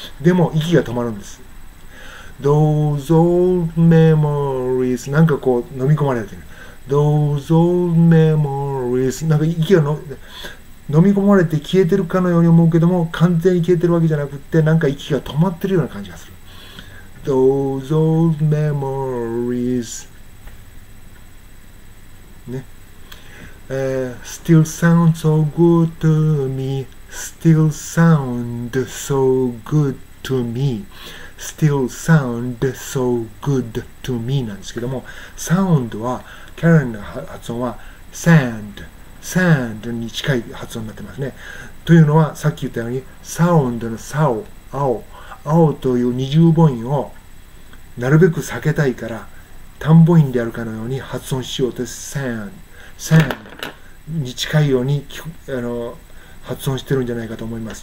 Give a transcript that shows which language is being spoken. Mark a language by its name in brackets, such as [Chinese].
[Japanese] でも息が止まるんです。 [English] Those old memories、 [Japanese] なんかこう飲み込まれてる。 [English] Those old memories、 [Japanese] なんか息がの飲み込まれて消えてるかのように思うけども完全に消えてるわけじゃなくってなんか息が止まってるような感じがする。 [English] Those old memories、 ね、Still sound so good to me、 Still sound so good to meStill sound so good to me [Japanese] なんですけども、 [English] sound は Karen [Japanese] の発音は [English] sand、 sand [Japanese] に近い発音になってますね。というのはさっき言ったように sound の sao、 青、 青という二重母音をなるべく避けたいから単母音であるかのように発音しようと sand、 sand に近いように発音してるんじゃないかと思います。